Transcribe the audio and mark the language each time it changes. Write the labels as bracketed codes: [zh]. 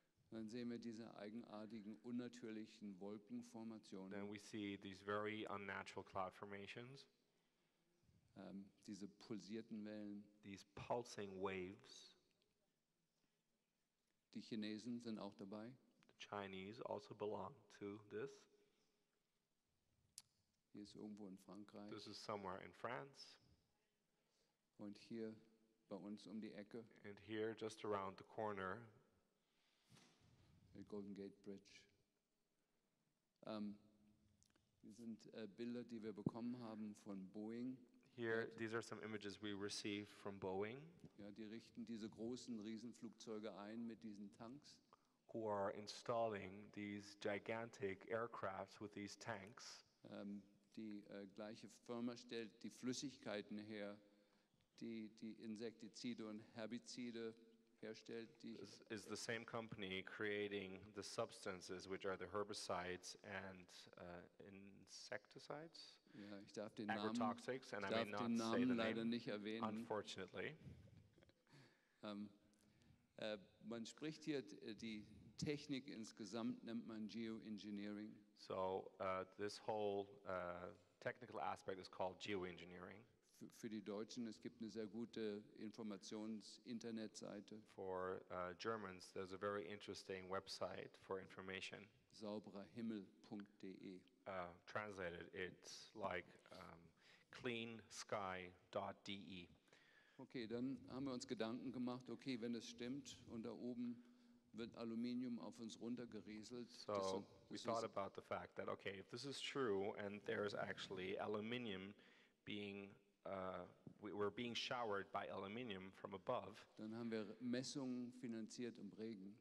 [de] Dann sehen wir diese eigenartigen, unnatürlichen Wolkenformationen. [en] Then we see these very unnatural cloud formations. [de] Diese pulsierten Wellen. [en] These pulsing waves. [de] Die Chinesen sind auch dabei. [en] The Chinese also belong to this. [de] Hier ist irgendwo in Frankreich. [en] This is somewhere in France. [de] Und hier bei uns um die Ecke. [en] And here just around the corner. The Golden Gate Bridge. [de] Hier sind Bilder, die wir bekommen haben von Boeing. [en] Here, these are some images we received from Boeing. [de] Ja, die richten diese großen Riesenflugzeuge ein mit diesen Tanks. [en] Who are installing these gigantic aircrafts with these tanks. [de] Die gleiche Firma stellt die Flüssigkeiten her, die die Insektizide und Herbizide herstellt. [en] This is the same company creating the substances which are the herbicides and insecticides. [de] Ja, ich darf den Namen, [en] agrotoxics, and I may not say the name, unfortunately. [de] Man spricht hier die Technik insgesamt nennt man Geoengineering. [en] So this whole technical aspect is called geoengineering. [de] Für die Deutschen es gibt eine sehr gute Informations-Internetseite. [en] For Germans there's a very interesting website for information. [de] Saubererhimmel.de. [en] Translated it's like cleansky.de. [de] Okay, dann haben wir uns Gedanken gemacht. Okay, wenn es stimmt und da oben wird Aluminium auf uns runtergerieselt. [en] So we thought about the fact that okay, if this is true and there is actually aluminium being we're being showered by aluminium from above. [de] Dann haben wir Messungen finanziert im Regen.